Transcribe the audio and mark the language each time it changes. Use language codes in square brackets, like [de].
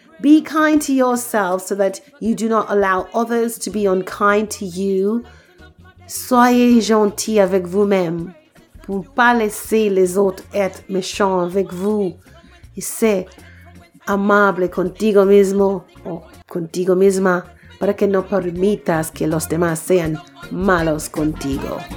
[en] Be kind to yourself so that you do not allow others to be unkind to you. [fr] Soyez gentil avec vous-même. Pour pas laisser les autres être méchants avec vous. Et c'est [es] amable contigo mismo o contigo misma para que no permitas que los demás sean malos contigo.